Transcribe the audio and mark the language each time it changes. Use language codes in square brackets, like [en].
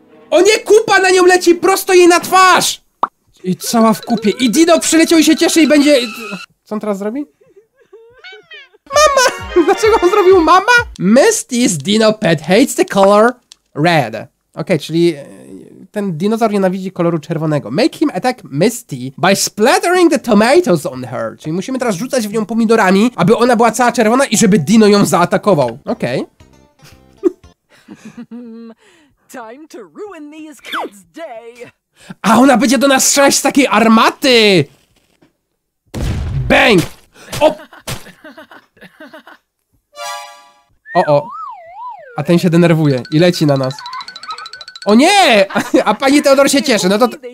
[pl] O nie, kupa na nią leci prosto jej na twarz! I cała w kupie. I dino przyleciał i się cieszy i będzie... Co on teraz zrobi? Mama! Dlaczego on zrobił mama? [en] Misty's dino pet hates the color red. [pl] Okej, czyli ten dinozaur nienawidzi koloru czerwonego. [en] Make him attack Misty by splattering the tomatoes on her. [pl] Czyli musimy teraz rzucać w nią pomidorami, aby ona była cała czerwona i żeby dino ją zaatakował. Okej. [en] Time to ruin these kids' day. [pl] A ona będzie do nas strzelać z takiej armaty! Bang! O! O, o! A ten się denerwuje i leci na nas. O nie! A pani Theodore się cieszy, no to...